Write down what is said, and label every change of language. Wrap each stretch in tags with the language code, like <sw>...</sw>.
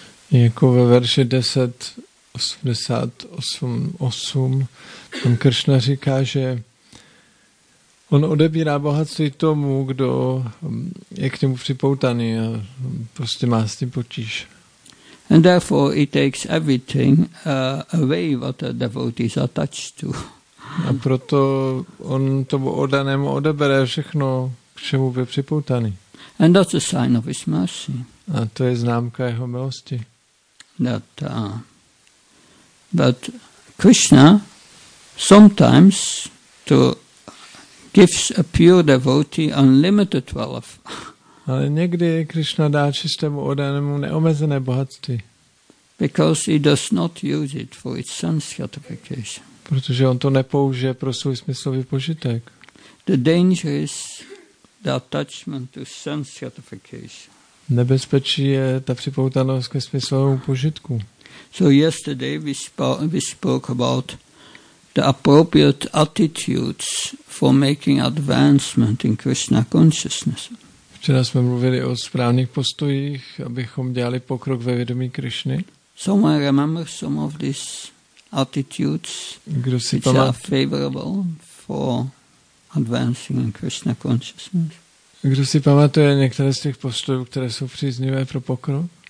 <cs>Jako ve verši 10.88.8 tam Krishna říká, že on odebírá bohatství tomu, kdo je k němu připoutaný a prostě má s tím potíž.</cs> <en>And therefore he takes everything away what a devotee is attached to.</en> <cs>A proto on tomu oddanému odebere všechno, k čemu by připoutaný.</cs> <en>And that's a sign of his mercy.</en> <cs>A to je známka jeho milosti.</cs> <en>That, but Krishna sometimes to gives a pure devotee unlimited wealth.</en> <cs>Ale někdy Krishna dá čistému oddanému neomezené bohatství.</cs> <en>Because he does not use it for its sense gratification.</en> <cs>Protože on to nepoužije pro svůj smyslový požitek.</cs> <en>The danger is the attachment to sense gratification.</en> <cs>Nebezpečí je ta připoutanost ke smyslovému požitku.</cs> <en>So yesterday we spoke about the appropriate attitudes for making advancement in Krishna consciousness.</en> <cs>Včera jsme mluvili o správných postojích, abychom dělali pokrok ve vědomí Krishny.</cs> <en>Someone remember some of these attitudes which are favorable for advancing in Krishna consciousness.</en> <cs>Kdo si pamatuje některé z těch postojů, které jsou příznivé pro pokrok?</cs>